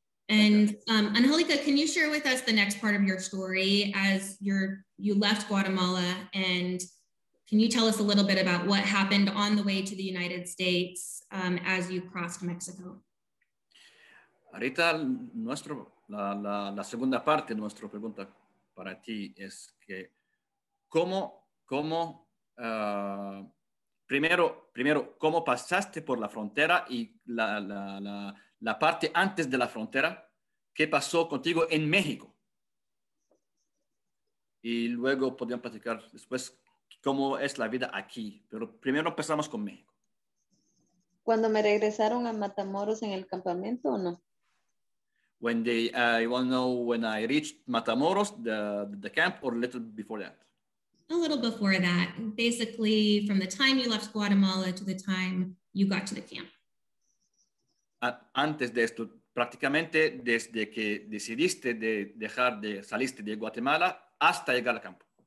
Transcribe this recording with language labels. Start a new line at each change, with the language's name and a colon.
English: And Angelica, can you share with us the next part of your story as you left Guatemala? And can you tell us a little bit about what happened on the way to the United States as you crossed Mexico?
Spanish: Ahorita, la segunda parte de nuestra pregunta para ti es que primero, ¿cómo pasaste por la frontera y la parte antes de la frontera? ¿Qué pasó contigo en México? Y luego podrían platicar después cómo es la vida aquí. Pero primero empezamos con México. ¿Cuándo me regresaron a Matamoros en el campamento o no?
English: When they, you want to know when I reached Matamoros, the camp, or a little before that? A little before that. Basically, from the time you left Guatemala to the time you got to the camp.
Spanish: Antes de esto. Prácticamente desde que decidiste de dejar de saliste de Guatemala hasta llegar al campo.